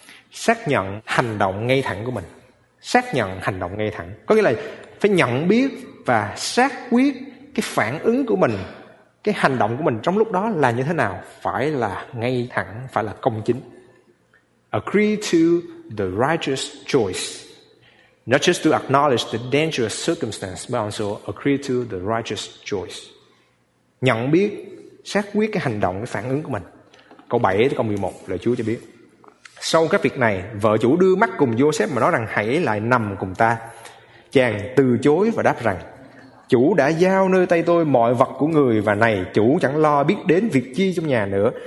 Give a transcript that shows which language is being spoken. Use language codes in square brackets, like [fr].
[vi] Xác nhận hành động ngay thẳng của mình. Xác nhận hành động ngay thẳng. Có nghĩa là phải nhận biết và xác quyết cái phản ứng của mình, cái hành động của mình trong lúc đó là như thế nào. Phải là ngay thẳng, phải là công chính. [en] Agree to the righteous choice. Not just to acknowledge the dangerous circumstance, but also agree to the righteous choice. [vi] Nhận biết, xác quyết cái hành động, cái phản ứng của mình. Câu 7 tới câu 11, lời Chúa cho biết. Sau các việc này, vợ chủ đưa mắt cùng Joseph mà nói rằng hãy lại nằm cùng ta. Chàng từ chối và đáp rằng, chủ đã giao nơi tay tôi mọi vật của người, và này chủ chẳng lo biết đến việc chi trong nhà nữa.